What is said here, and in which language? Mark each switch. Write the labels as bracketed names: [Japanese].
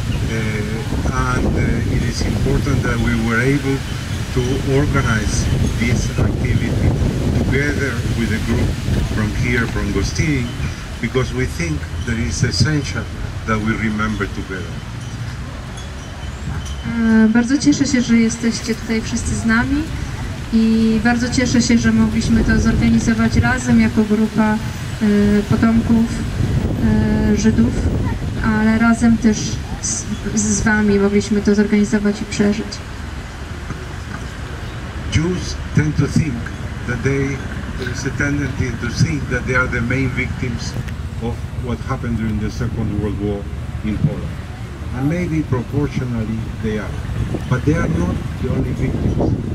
[English] It is important that we were able to organize this activity together with a group from here, from Gostynin, because we think that it is essential that we remember together. [Polish] Bardzo cieszę się, że jesteście tutaj wszyscy z nami i bardzo cieszę się, że mogliśmy to zorganizować razem jako grupa potomków Żydów, ale razem też z wami mogliśmy to zorganizować i przeżyć. [English] Jews tend to think that there is a tendency to think that they are the main victims of what happened during the Second World War in Poland. And maybe proportionally they are. But they are not the only victims.